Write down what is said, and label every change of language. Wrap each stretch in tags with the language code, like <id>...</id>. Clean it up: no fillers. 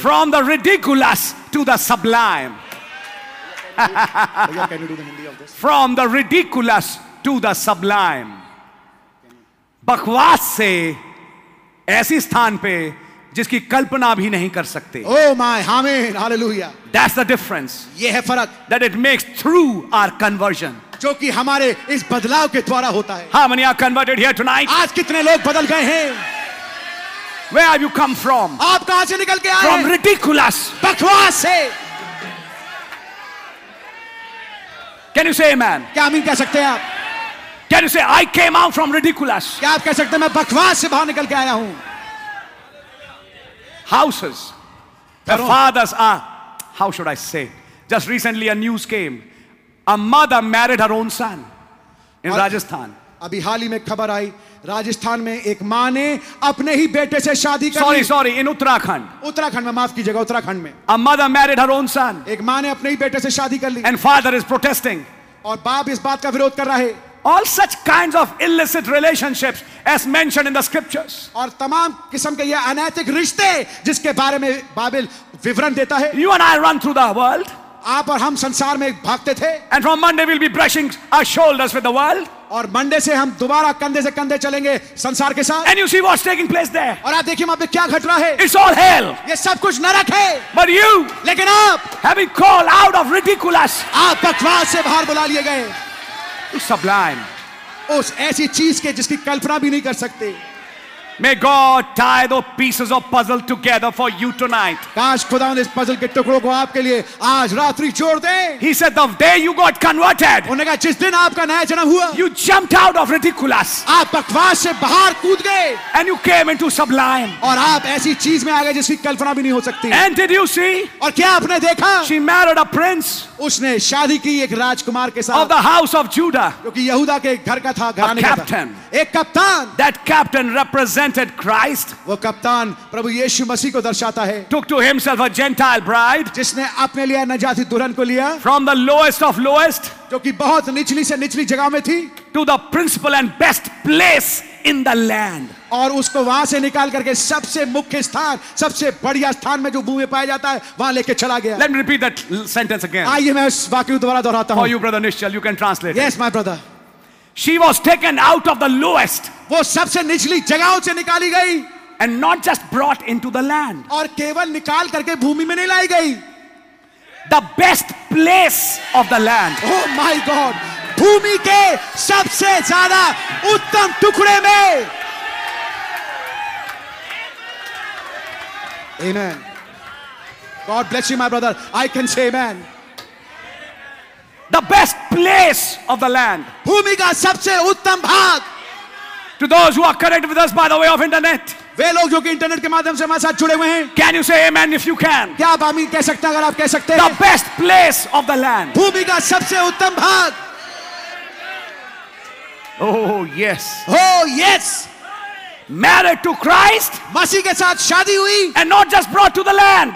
<en>From the ridiculous to the sublime. From the ridiculous to the sublime.</en> <hi>बकवास से ऐसी स्थान पे जिसकी कल्पना भी नहीं कर सकते.</hi> <en>Oh my, amen, hallelujah. That's the difference.</en> <hi>ये है फरक.</hi> <en>That it makes through our conversion.</en> <hi>जो कि हमारे इस बदलाव के द्वारा होता है.</hi> <en>How many are converted here tonight?</en> <hi>आज कितने लोग बदल गए हैं?</hi> <en>Where have you come from?</en> <hi>आप कहां से निकल के आए?</hi> <en>From ridiculous.</en> <hi>बकवास से.</hi> <en>Can you say amen?</en> <hi>क्या आमीन कह सकते हैं आप?</hi> <en>Can you say I came out from ridiculous?</en> <hi>क्या आप कह सकते हैं मैं बकवास से बाहर निकल के आया हूं?</hi> <en>Houses, the fathers are. How should I say? Just recently, a news came. A mother married her own son in Rajasthan.</en> <hi>अभी हाल ही में खबर आई. राजस्थान में एक माँ ने अपने ही बेटे से शादी कर ली.</hi> <en>Sorry, in Uttarakhand.</en> <hi>उत्तराखंड में, माफ कीजिएगा, उत्तराखंड में.</hi> <en>A mother married her own son.</en> <hi>एक माँ ने अपने ही बेटे से शादी कर ली.</hi> <en>And father is protesting.</en> <hi>और बाप इस बात का विरोध कर रहा है.</hi> <en>All such kinds of illicit relationships as mentioned in the scriptures.</en> <hi>और तमाम किस्म के ये अनैतिक रिश्ते जिसके बारे में बाइबल विवरण देता है.</hi> <en>You and I run through the world.</en> <hi>आप और हम संसार में भागते थे.</hi> <en>And from Monday we'll be brushing our shoulders with the world.</en> <hi>और मंडे से हम दोबारा कंधे से कंधे चलेंगे संसार के साथ.</hi> <en>And you see what's taking place there.</en> <hi>और आप देखिए वहां पे क्या घट रहा है.</hi> <en>It's all hell.</en> <hi>ये सब कुछ नरक है.</hi> <en>But you,</en> <hi>लेकिन आप,</hi> <en>have been called out of ridiculous.</en> <hi>आप बकवास से बाहर बुला लिए गए.</hi> <en>Sublime.</en> <hi>उस ऐसी चीज के जिसकी कल्पना भी नहीं कर सकते.</hi> <en>May God tie those pieces of puzzle together for you tonight.</en> <hi>काश खुदा इस पजल के टुकड़ों को आपके लिए आज रात्रि जोड़ दे.</hi> <en>He said, the day you got converted.</en> <hi>उन्होंने कहा जिस दिन आपका नया जन्म हुआ.</hi> <en>You jumped out of ridiculous.</en> <hi>आप बकवास से बाहर कूद गए.</hi> <en>And you came into sublime.</en> <hi>और आप ऐसी चीज में आ गए जिसकी कल्पना भी नहीं हो सकती.</hi> <en>And did you see?</en> <hi>और क्या आपने देखा?</hi> <en>She married a prince.</en> <hi>उसने शादी की एक राजकुमार के साथ.</hi> <en>Of the house of Judah.</en> <hi>क्योंकि यहूदा के घर का था, घराने का था. एक कप्तान.</hi> <en>That captain represents Christ.</en> <hi>वो कप्तान प्रभु यीशु मसीह को दर्शाता है.</hi> <en>Took to himself a Gentile bride.</en> <hi>जिसने अपने लिए नजाती दुल्हन को लिया.</hi> <en>From the lowest of lowest.</en> <hi>जो कि बहुत निचली से निचली जगह में थी.</hi> <en>To the principal and best place in the land.</en> <hi>और उसको वहां से निकाल करके सबसे मुख्य स्थान, सबसे बढ़िया स्थान में जो भूमि में पाया जाता है वहां लेके चला गया.</hi> <en>Let me repeat that sentence again.</en> <hi>आइए मैं उस वाक्य को दोबारा दोहराता हूं.</hi> <en>For you, brother Nishal, you can translate. Yes, my brother. She was taken out of the lowest.</en> <hi>वो सबसे निचली जगहों से निकाली गई.</hi> <en>And not just brought into the land.</en> <hi>और केवल निकाल करके भूमि में नहीं लाई गई.</hi> <en>The best place of the land. Oh my God.</en> <hi>भूमि के सबसे ज्यादा उत्तम टुकड़े में.</hi> <en>Amen. God bless you, my brother. I can say amen. The best place of the land.</en> <hi>भूमि का सबसे उत्तम भाग.</hi> <en>To those who are connected with us by the way of internet.</en> <hi>वे लोग जो कि इंटरनेट के माध्यम से हमारे साथ जुड़े हुए हैं.</hi> <en>Can you say amen if you can?</en> <hi>क्या आप आमीन कह सकते हैं अगर आप कह सकते हैं?</hi> <en>The best place of the land.</en> <hi>भूमि का सबसे उत्तम भाग.</hi> <en>Oh yes. Oh yes. Married to Christ.</en> <hi>मसीह के साथ शादी हुई.</hi> <en>And not just brought to the land.</en>